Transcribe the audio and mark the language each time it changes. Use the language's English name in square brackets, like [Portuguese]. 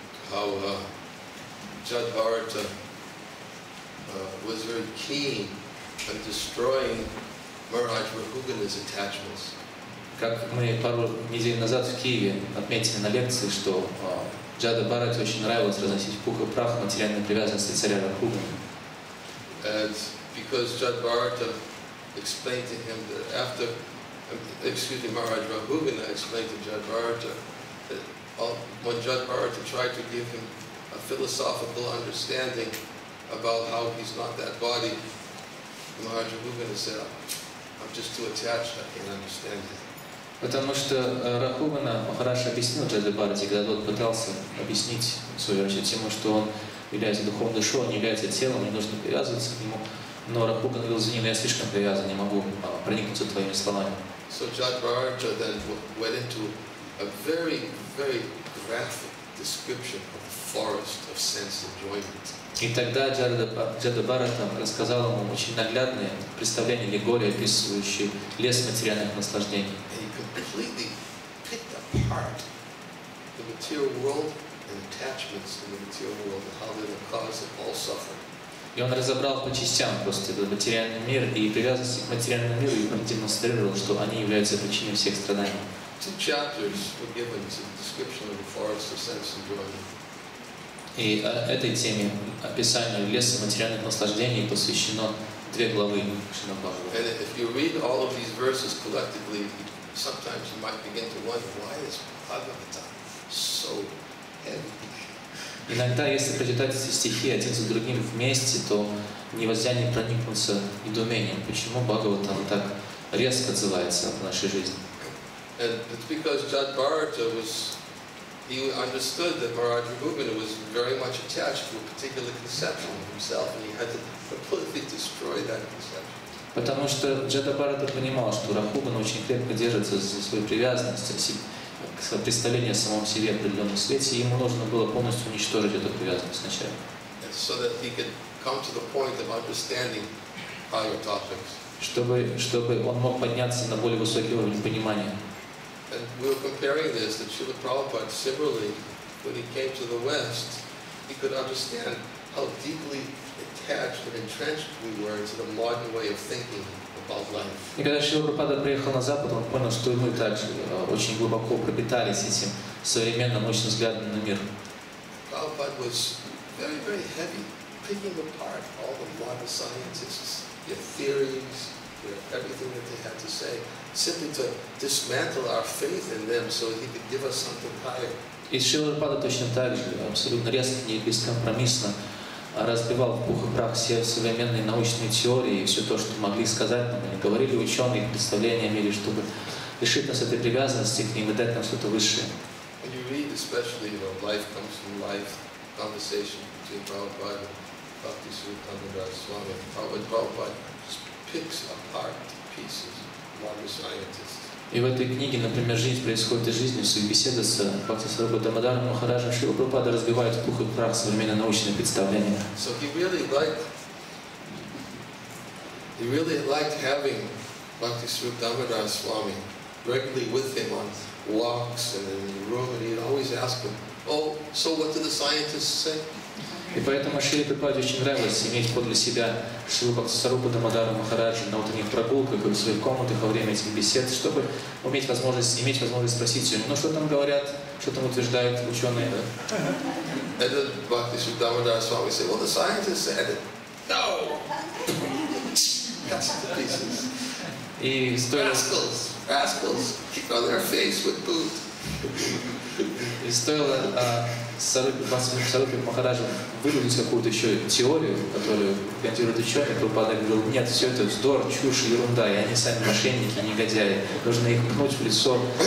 [English] How Judd Bharata was very keen on destroying Maharaj Rahugana's attachments. [Russian] Как мы пару недель назад в Киеве отметили на лекции, что Джада Бхарате очень нравилось разносить пух и прах материальной привязанности царя Рахугана. [English] And because Judd Bharata explained to him that after, excuse me, Maharaj Rahugana explained to Judd Bharata when Judd Bharata tried to give him a philosophical understanding about how he's not that body, Maharaj Rahugana said, "I'm just too attached. I can't understand it." [Russian] Потому что Рахугана хорошо объяснил Джадда Бхарате, когда тот пытался объяснить свою вообще тему, что он является духовным душой, он не является телом, не нужно привязываться к нему. Но Рахугана говорил: "Извини, но я слишком привязан, не могу проникнуться твоими словами." [English] So Judd Bharata then went into a very, very graphic description of the forest of sense enjoyment. [Russian] И тогда Джада Бхарата рассказал ему очень наглядное представление аллегории, описывающее лес материальных наслаждений. [English] And he completely picked apart the material world and attachments in the material world and how they were the cause of all suffering. [Russian] И он разобрал по частям просто этот материальный мир и привязанности к материальному миру и продемонстрировал, что они являются причиной всех страданий. [English] Two chapters were given to the description of the forest of sense enjoyment. [Russian] И этой теме, описанию леса материальных наслаждений, посвящено две главы Шрила Прабхупады. [English] And if you read all of these verses collectively, sometimes you might begin to wonder, why is Bhagavata so heavy? [Russian] Иногда, если прочитать эти стихи один за другим вместе, то невозможно не проникнуться недоумением, почему Бхагавата так резко отзывается в нашей жизни. [English] And it's because Judd Bharata was, he understood that Maharaj Rahugana was very much attached to a particular conception of himself, and he had to completely destroy that conception. [Russian] Потому что Джада Бхарата понимал, что Рахугана очень крепко держится за свою привязанность к представлению о самом себе в определенном свете, и ему нужно было полностью уничтожить эту привязанность сначала. [English] And so that he could come to the point of understanding higher topics. [Russian] Чтобы он мог подняться на более высокий уровень понимания. [English] And we were comparing this, that Srila Prabhupada, similarly, when he came to the West, he could understand how deeply attached and entrenched we were to the modern way of thinking about life. [Russian] И когда Шрила Прабхупада приехал на Запад, он понял, что и мы также очень глубоко пропитались этим современным очень взглядом на мир. [English] Prabhupada was very, very heavy, picking apart all the modern scientists, their theories, everything that they had to say, simply to dismantle our faith in them so he could give us something higher. [Russian] И Шрила Прабхупада точно так же, абсолютно резко и бескомпромиссно разбивал в пух и прах все современные научные теории и все то, что могли сказать нам, или говорили ученые, их представления о мире, чтобы лишить нас этой привязанности к ним и дать нам что-то высшее. [English] When you read especially, you know, Life Comes from Life, conversation between Prabhupada, Bhakti Sivananda Swami, and Prabhupada just picks apart pieces of modern scientists. [Russian] И в этой книге, например, «Жизнь происходит из жизни», в беседе с Бхакти Сварупа Дамодара Махараджа Шрила Прабхупада разбивает в пух и прах современное научное представление. [English] So he really liked having Bhakti Sarupa Damodara Swami regularly with him on walks and in the room, and he'd always ask him, Oh, so what do the scientists say? [Russian] И поэтому Шри Прабхупаде очень нравилось иметь подле себя Шри Сарупа Дамодара Махараджа на утренних прогулках и в своих комнатах во время этих бесед, чтобы уметь возможность, иметь возможность спросить все, ну что там говорят, что там утверждают ученые. [English] And the Bhakti Siddhamadara Swami said, well, the scientists said it. No! Cuts it to pieces. [Russian] И стоит... [English] Rascals, keep on their face with boot. [Russian] И стоило Сарупе Махараджу выдвинуть какую-то еще теорию, которую пятеро ученых, Прабхупада говорил, нет, все это вздор, чушь, ерунда, и они сами мошенники, негодяи, нужно их пнуть в лицо